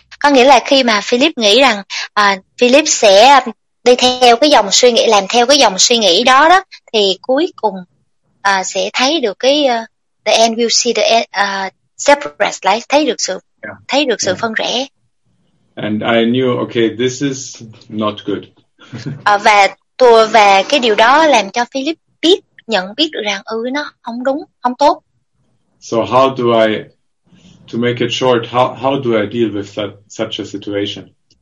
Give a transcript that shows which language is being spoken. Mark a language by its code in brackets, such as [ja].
[vi] Có nghĩa là khi mà Philip nghĩ rằng Philip sẽ đi theo cái dòng suy nghĩ, làm theo cái dòng suy nghĩ đó đó, thì cuối cùng sẽ thấy được cái [en] the end will see the end, separate, like, [vi] thấy được sự phân rẽ. [en] And I knew, okay, this is not good. [vi] và cái điều đó làm cho Philip nhận biết được rằng nó không đúng, không tốt. [en] So how do I, to make it short, how do I deal with such a situation?